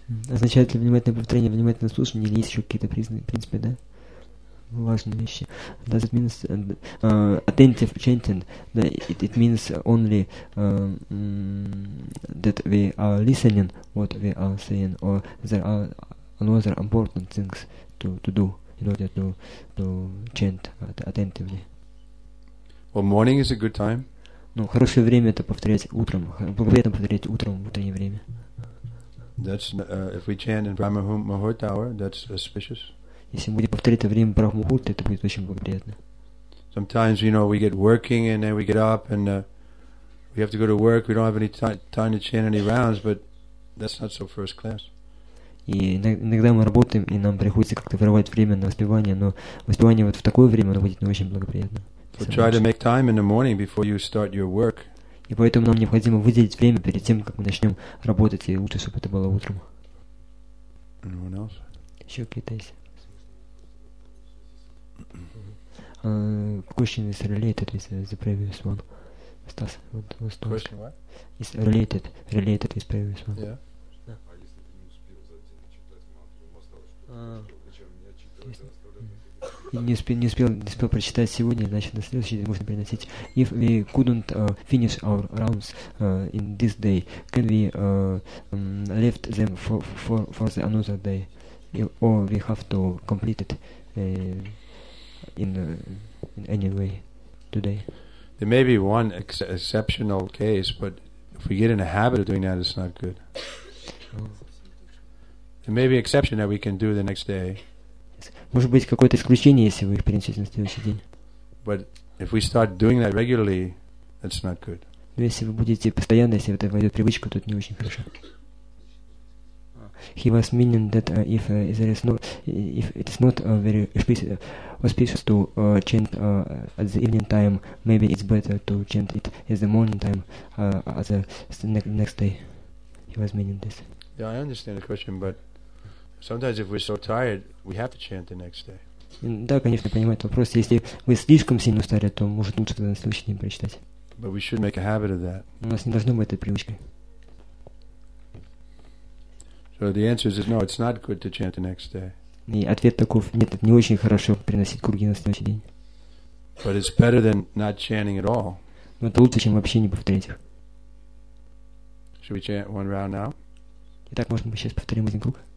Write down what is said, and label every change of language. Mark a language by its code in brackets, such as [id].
[ru] Означает ли внимательное повторение, внимательное слушание, или есть еще какие-то признаки, в принципе, да? Важные вещи. [en] Does it mean attentive chanting? It means only that we are listening what we are saying, or there are another important things to do in order to chant attentively. Well, morning is a good time. [ru] Ну, хорошее время это повторять утром. Благоприятно повторять утром утреннее время. [en] That's if we chant in Brahma-Muhurt hour, that's auspicious. [ru] Если мы будем повторять это время Брахмухурты, это будет очень благоприятно. [en] Sometimes, you know, we get working and then we get up and we have to go to work. We don't have any time to chant any rounds, but that's not so first class. [ru] И иногда мы работаем, и нам приходится как-то вырывать время на воспевание, но воспевание вот в такое время, оно будет не очень благоприятно. [en] So try to make time in the morning before you start your work. [ru] И поэтому нам необходимо выделить время перед тем, как мы начнем работать, и лучше, чтобы это было утром. [en] Anyone else? [ru] Еще какие-то есть? [en] Question is related with the previous one. Stas, what was the question? What? It's related with the previous one. Yeah. Yeah. [ru] Не успел прочитать сегодня, значит на следующий день можно переносить. [en] If we couldn't finish our rounds in this day, can we left them for the another day? Or we have to complete it in any way today. There may be one exceptional case, but if we get in a habit of doing that, it's not good. There may be an exception that we can do the next day. [ru] Может быть какое-то исключение, если вы их принесете на следующий день. [en] But if we start doing that regularly, that's not good. [ru] Но если вы будете постоянно, если это войдет в привычку, то это не очень хорошо. [en] He was meaning that if it is not very auspicious to chant at the evening time, maybe it's better to chant it at the morning time next day. He was meaning this. Yeah, I understand the question, but sometimes if we're so tired, we have to chant the next day. [ru] Да, конечно, понимаю вопрос. Если вы слишком сильно устали, то может лучше тогда на следующий день прочитать. [en] But we should make a habit of that. [ru] У нас не должно быть этой привычкой. [en] So the answer is no, it's not good to chant the next day. [ru] И ответ таков, нет, не очень хорошо приносить курги на следующий день. [en] But it's better than not chanting at all. [ru] Но это лучше, чем вообще не повторить их. [en] Should we chant one round now? [ru] Итак, может, мы сейчас повторим один круг?